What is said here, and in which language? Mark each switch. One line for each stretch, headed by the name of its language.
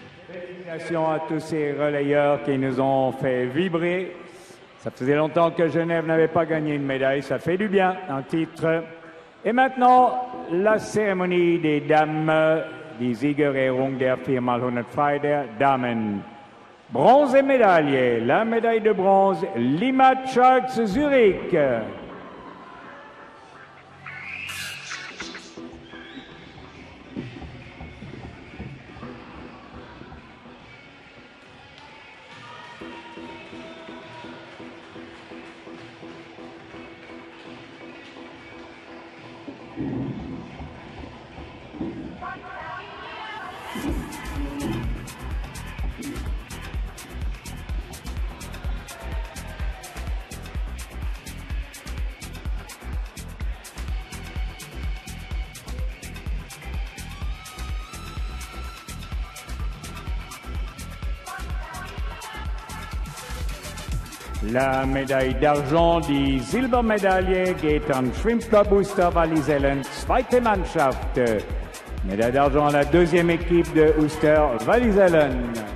French: Félicitations à tous ces relayeurs qui nous ont fait vibrer. Ça faisait longtemps que Genève n'avait pas gagné une médaille. Ça fait du bien, un titre. Et maintenant, la cérémonie des dames,
German: die Siegerehrung der 400 Freider Damen.
French: Bronze et médaille, la médaille de bronze, Lima Sharks Zurich. La médaille d'argent,
German: die Silbermedaille, geht an Schwimmklub-Booster Wallisellen, zweite Mannschaft.
French: Médaille d'argent à la deuxième équipe de Ooster Wallisellen.